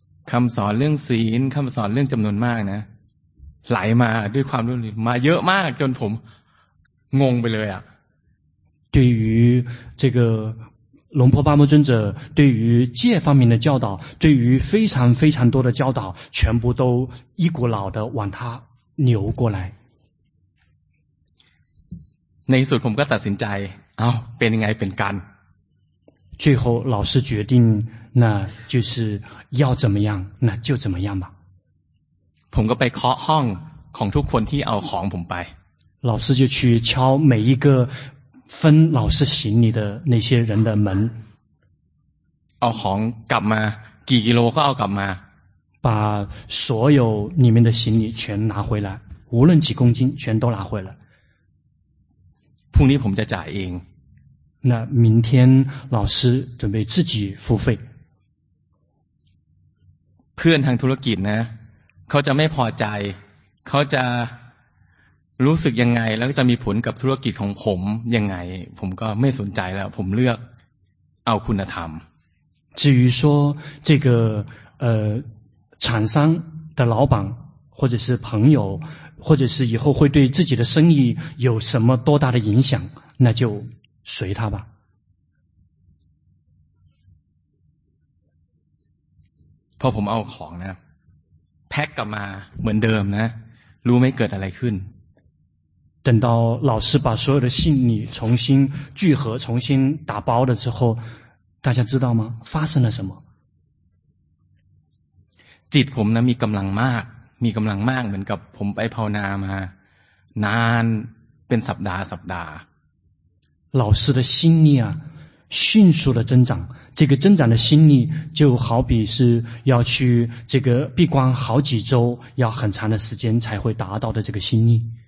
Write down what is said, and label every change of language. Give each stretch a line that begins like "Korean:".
Thai: คำสอนเรื่องศีลคำสอนเรื่องจำนวนมากนะไหลมาด้วยความรู้มาเยอะมากจนผมงงไปเลยอ่ะ
Chinese: 对于这个龙婆巴木尊者对于戒方面的教导对于非常非常多的教导全部都一股脑的往他流过来
Thai: ในสุดผมก็ตัดสินใจเอ้าเป็นยังไงเป็นกัน
Chinese: 最后老师决定那就是要怎么样那就怎么样吧
Thai: ผมก็ไปเคาะห้องของทุกคนที่เอาของผมไป
Chinese: 老师就去敲每一个分老师行李的那些人的门
Thai: เอาของกลับมากี่กิโลก็เอากลับมา
Chinese: 把所有里面的行李全拿回来无论几公斤全都拿回来
Thai: พรุ่งนี้ผมจะจ่ายเอง
Chinese: 那明天老师准备自己付费
Thai: เพื่อนทางธุรกิจนะเขาจะไม่พอใจเขาจะรู้สึกยังไงแล้วจะมีผลกับธุรกิจของผมยังไงผมก็ไม่สนใจแล้วผมเลือกเอาคุณธรรม
Chinese: 至于说这个厂商的老板或者是朋友，或者是以后会对自己的生意有什么多大的影响，那就随他吧。
Thai: พอผมเอาของนะแพ็คกลับมาเหมือนเดิมนะรู้ไม่เกิดอะไรขึ้น
Chinese: 等到老师把所有的行李重新聚合重新打包了之后大家知道吗发生了什么
Thai: จิตผมนะมีกำลังมากมีกำลังมากเหมือนกับผมไปภาวนามานานเป็นสัปดาห์สัปดาห์
Chinese: 老师的心力啊迅速的增长这个增长的心力就好比是要去这个闭关好几周要很长的时间才会达到的这个心力